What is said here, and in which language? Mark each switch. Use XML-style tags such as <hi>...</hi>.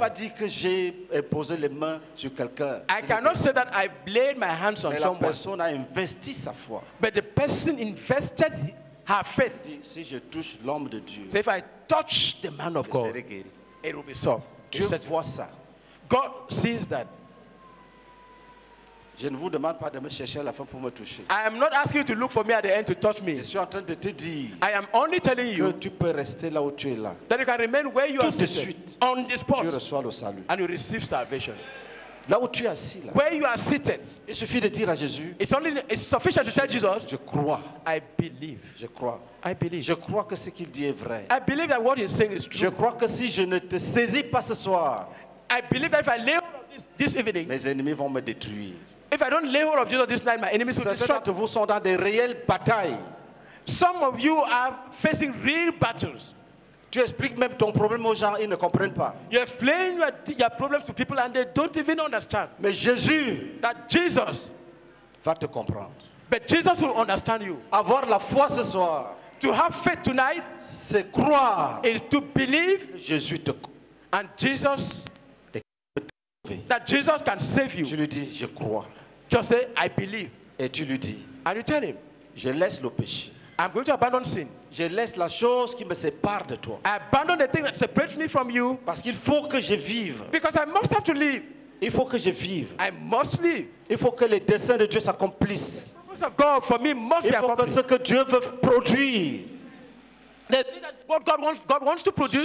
<fr>Pas dire que j'ai posé les mains sur quelqu'un.</fr> <en>I cannot say that I laid my hands on</en> <fr>Mais</fr> <en>someone.</en> <fr>La personne a investi sa foi.</fr> <en>But the person invested her faith.</en> <fr>Si je touche l'homme de Dieu,</fr> <en>so if I touch the man of God,</en> <fr>guéri.</fr> <en>It will be solved.</en> <fr>Dieu said, voit ça.</fr> <en>God sees that.</en> <fr>Je ne vous demande pas de me chercher à la fin pour me toucher.</fr> <en>I am not asking you to look for me at the end to touch me.</en> <fr>Je suis en train de te dire.</fr> <en>I am only telling you</en> <fr>que tu peux rester là où tu es là.</fr> <en>That you can remain where you</en> <fr>tout</fr> <en>are.</en> <fr>Tout de suite.</fr> <en>On the spot.</en> <fr>Tu reçois le salut.</fr> <en>And you receive salvation.</en> <fr>Là où tu es assis là.</fr> <en>Where you are seated.</en> <fr>Il suffit de dire à Jésus.</fr> <en>It's sufficient to tell Jesus.</en> <fr>Je crois.</fr> <en>I believe.</en> <fr>Je crois.</fr> <en>I believe.</en> <fr>Je crois que ce qu'il dit est vrai.</fr> <en>I believe that what he's saying is true.</en> <fr>Je crois que si je ne te saisis pas ce soir,</fr> <en>I believe that if I lay hold of this evening,</en> <fr>mes ennemis vont me détruire.</fr> <en>If I don't lay hold of Jesus this night, my enemies will destroy.</en> <fr>Certains de vous sont dans des réelles batailles.</fr> <en>Some of you are facing real battles.</en> <fr>Tu expliques même ton problème aux gens, ils ne comprennent pas.</fr> <en>You explain your problems to people and they don't even understand.</en> <fr>Mais Jésus,</fr> <en>that Jesus,</en> <fr>va te comprendre.</fr> <en>But Jesus will understand you.</en> <fr>Avoir la foi ce soir,</fr> <en>to have faith tonight,</en> <fr>c'est croire,</fr> <en>is to believe.</en> <fr>Jésus te,</fr> <en>and Jesus, that Jesus can save you.</en> <fr>Tu lui dis, je crois.</fr> <en>Just say, I believe.</en> <fr>Et tu lui dis,</fr> <en>and you tell him,</en> <fr>je laisse le péché.</fr> <en>I'm going to abandon sin.</en> <fr>Je laisse la chose qui me sépare de toi.</fr> <en>I abandon the thing that separates me from you.</en> <fr>Parce qu'il faut que je vive.</fr> <en>Because I must have to live.</en> <fr>Il faut que je vive.</fr> <en>I must live.</en> <fr>Il faut que les desseins de Dieu s'accomplissent.</fr> <en>The purpose of God for me must</en> <fr>Il</fr> <en>be accomplished.</en> <fr>Il faut que ce que Dieu veut produire,</fr> <en>the thing that what God wants to produce,</en>